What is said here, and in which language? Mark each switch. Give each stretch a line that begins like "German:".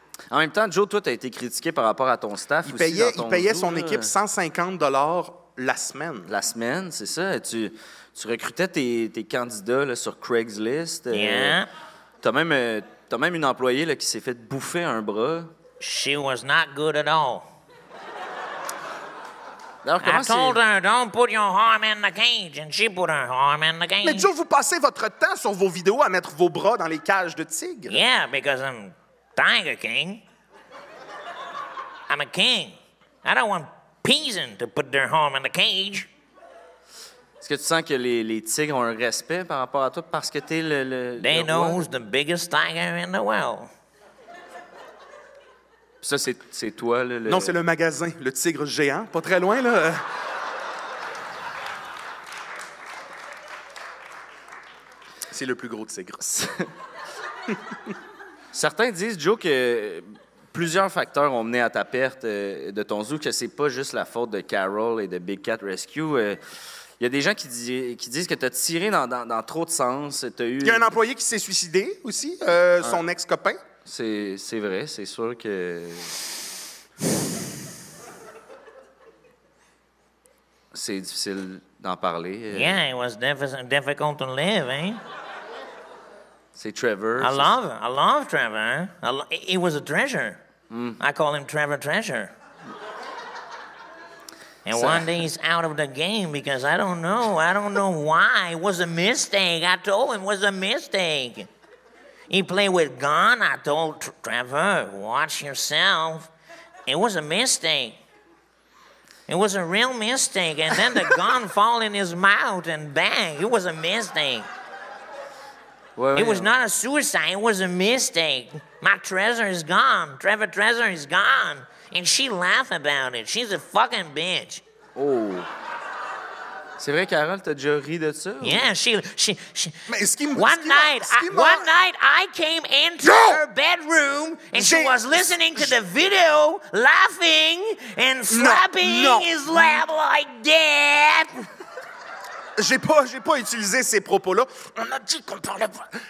French: En même temps, Joe, toi, t'as été critiqué par rapport à ton staff aussi. Il payait zoo, son équipe 150 $ La semaine. La semaine, c'est ça. Tu recrutais tes candidats là, sur Craigslist.
English: Yeah.
French: T'as même une employée là, qui s'est fait bouffer un bras.
English: She was not good at all. I told her, don't put your arm in the cage, and she put her arm in the cage.
French: Mais Joe, vous passez votre temps sur vos vidéos à mettre vos bras dans les cages de tigres.
English: Yeah, because I'm Tiger King. I'm a king. I don't want peasant to put their arm in the cage.
French: Est-ce que tu sens que les tigres ont un respect par rapport à toi parce que t'es le
English: They
French: le
English: know who's the biggest tiger in the world.
French: Ça, c'est toi, là? Non, c'est le magasin, le tigre géant. Pas très loin, là. C'est le plus gros tigre. Certains disent, Joe, que plusieurs facteurs ont mené à ta perte de ton zoo, que c'est pas juste la faute de Carol et de Big Cat Rescue. Il y a des gens qui disent que tu as tiré dans trop de sens. Il y a un employé qui s'est suicidé aussi, son ex-copain. C'est vrai, c'est sûr que... C'est difficile d'en parler.
English: Yeah, it was difficult to live, eh?
French: C'est Trevor.
English: I love Trevor. He was a treasure. Mm. I call him Trevor Treasure. And ça... one day he's out of the game because I don't know why. It was a mistake. I told him it was a mistake. He played with gun. I told Trevor, watch yourself. It was a mistake. It was a real mistake. And then the gun fall in his mouth and bang, it was a mistake. Well, it was not a suicide. It was a mistake. My treasure is gone. Trevor treasure is gone. And she laugh about it. She's a fucking bitch. Oh.
French: C'est vrai, Carole, t'as déjà ri de ça?
English: Yeah, she...
French: Mais est-ce qu'il m'a...
English: One night, I came into her bedroom and she was listening to the video, laughing and slapping his lap like that.
French: J'ai pas utilisé ces propos-là. On a dit qu'on parlait pas...